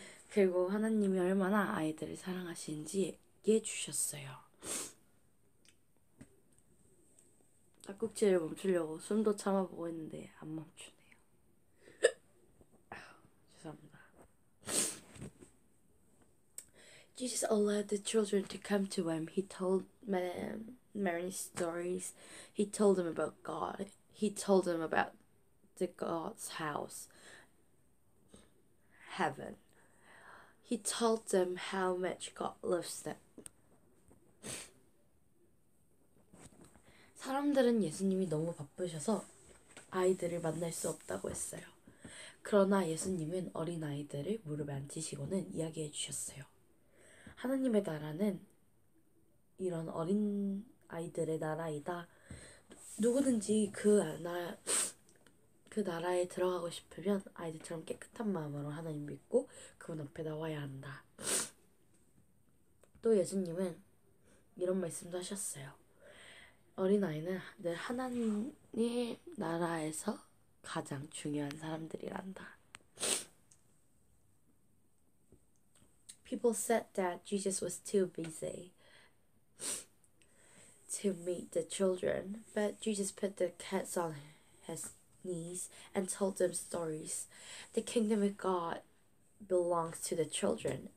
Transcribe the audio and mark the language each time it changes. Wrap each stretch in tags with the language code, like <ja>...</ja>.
<ko>그리고 하나님이 얼마나 아이들을 사랑하시는지 얘기해주셨어요. 딱꾹질을 멈추려고 숨도 참아보고 했는데 안 멈추네요.</ko> <en>'Jesus allowed the children to come to him. He told them many stories. He told them about God. He told them about the God's house, heaven. He told them how much God loves them."</en> <ko>사람들은 예수님이 너무 바쁘셔서 아이들을 만날 수 없다고 했어요. 그러나 예수님은 어린 아이들을 무릎에 앉히시고는 이야기해 주셨어요. 하느님의 나라는 이런 어린 아이들의 나라이다. 누구든지 그 나라에 들어가고 싶으면 아이들처럼 깨끗한 마음으로 하나님 믿고 그분 앞에 나와야 한다. 또 예수님은 이런 말씀도 하셨어요. 어린아이는 늘 하나님 나라에서 가장 중요한 사람들이란다.</ko> <en>"People said that Jesus was too busy to meet the children, but Jesus put the cats on his knees and told them stories. The kingdom of God belongs to the children.</en>